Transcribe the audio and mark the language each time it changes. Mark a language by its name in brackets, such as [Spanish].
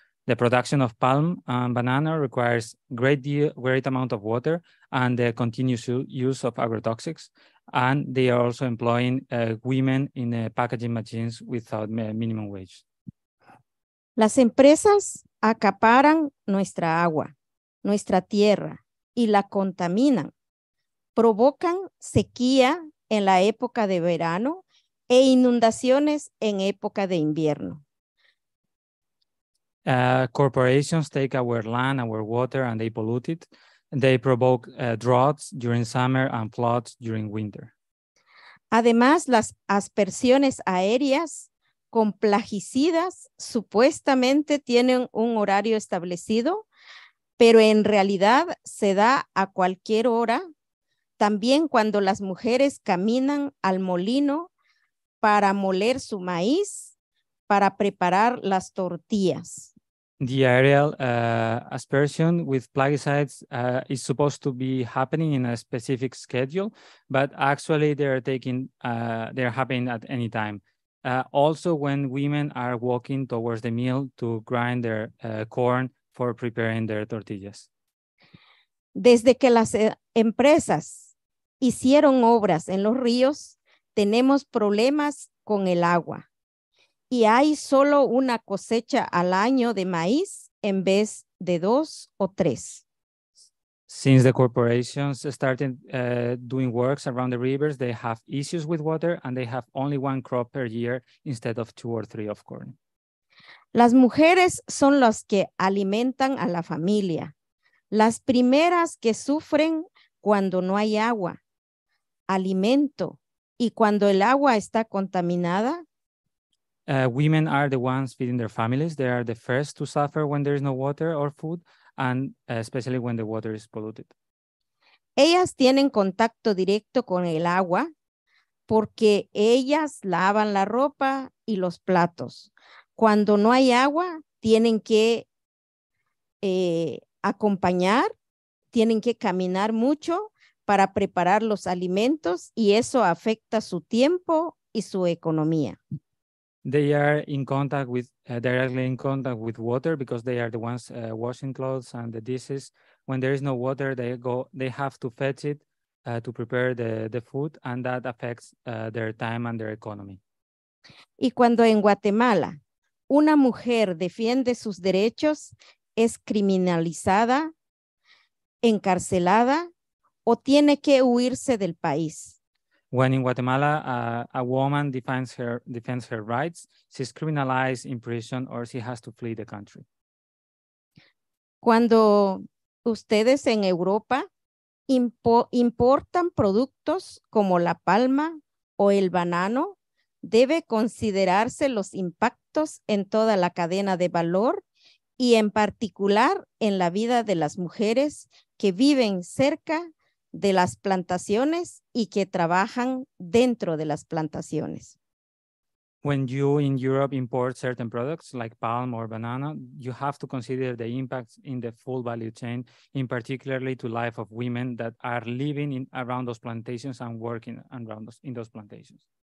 [English] The production of palm and banana requires great amount of water and the continuous use of agrotoxics. And they are also employing women in packaging machines without minimum wage. [Spanish] Las empresas acaparan nuestra agua, nuestra tierra y la contaminan. Provocan sequía en la época de verano e inundaciones en época de invierno. [English] Corporations take our land, our water, and they pollute it. They provoke droughts during summer and floods during winter. [Spanish] Además, las aspersiones aéreas con plaguicidas supuestamente tienen un horario establecido, pero en realidad se da a cualquier hora, también cuando las mujeres caminan al molino para moler su maíz, para preparar las tortillas. [English] The aerial aspersion with plaguicides is supposed to be happening in a specific schedule, but actually they are happening at any time. Also, when women are walking towards the mill to grind their corn for preparing their tortillas. [Spanish] Desde que las empresas hicieron obras en los ríos, tenemos problemas con el agua. Y hay solo una cosecha al año de maíz en vez de dos o tres. [English] Since the corporations started doing works around the rivers, they have issues with water and they have only one crop per year instead of two or three of corn. [Spanish] Las mujeres son las que alimentan a la familia. Las primeras que sufren cuando no hay agua, alimento, y cuando el agua está contaminada. [English] Women are the ones feeding their families. They are the first to suffer when there is no water or food, and especially when the water is polluted. [Spanish] Ellas tienen contacto directo con el agua porque ellas lavan la ropa y los platos. Cuando no hay agua, tienen que acompañar, tienen que caminar mucho para preparar los alimentos y eso afecta su tiempo y su economía. [English] They are in contact with, directly in contact with water because they are the ones washing clothes and the dishes. When there is no water, they have to fetch it to prepare the food, and that affects their time and their economy. [Spanish] Y cuando en Guatemala una mujer defiende sus derechos, es criminalizada, encarcelada, o tiene que huirse del país. [English] When in Guatemala a woman defends her rights, she's criminalized in prison or she has to flee the country. [Spanish] Cuando ustedes en Europa importan productos como la palma o el banano, debe considerarse los impactos en toda la cadena de valor y en particular en la vida de las mujeres que viven cerca de las plantaciones y que trabajan dentro de las plantaciones. [English] When you in Europe import certain products like palm or banana, you have to consider the impacts in the full value chain, in particularly to life of women that are living in around those plantations and working around those, in those plantations.